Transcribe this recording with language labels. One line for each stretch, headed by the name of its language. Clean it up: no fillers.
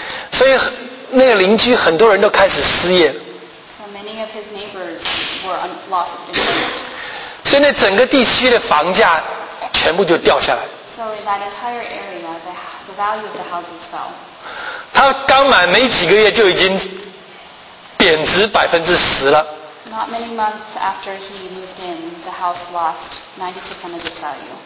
Chinese: 所以那个邻居很多人都开始失业。
English: So many of his neighbors were lost in debt.
Chinese: 所以那整个地区的房价全部就掉下来。
English: So in that entire area, the value of the houses fell.
Chinese: 他刚买没几个月就已经贬值10%了。
English: Not many months after he moved in, the house lost 90% of its value.